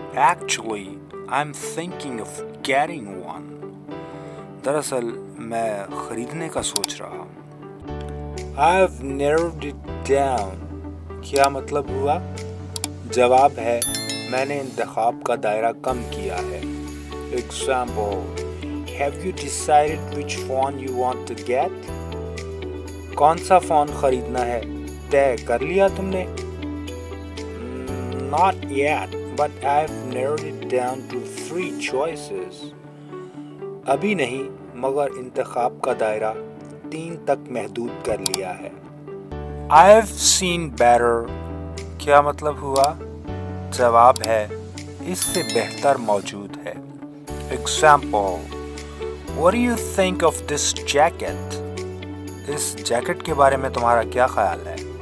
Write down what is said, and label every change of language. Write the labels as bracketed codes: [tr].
[en] Actually, I'm thinking of getting one. [ur] दरअसल मैं खरीदने का सोच रहा हूँ. [en] I've narrowed it down. [ur] क्या मतलब हुआ? जवाब है, मैंने इंतखाब का दायरा कम किया है. [en] Example. Have you decided which phone you want to get? [ur] कौन सा फोन खरीदना है तय कर लिया तुमने? [en] Not yet. But I've narrowed it down to 3 choices. [ur] अभी नहीं, मगर इंतखाब का दायरा 3 तक महदूद कर लिया है. [en] I've seen better. [ur] क्या मतलब हुआ? जवाब है, इससे बेहतर मौजूद है. [en] Example. What do you think of this jacket? [ur] इस जैकेट के बारे में तुम्हारा क्या ख्याल है?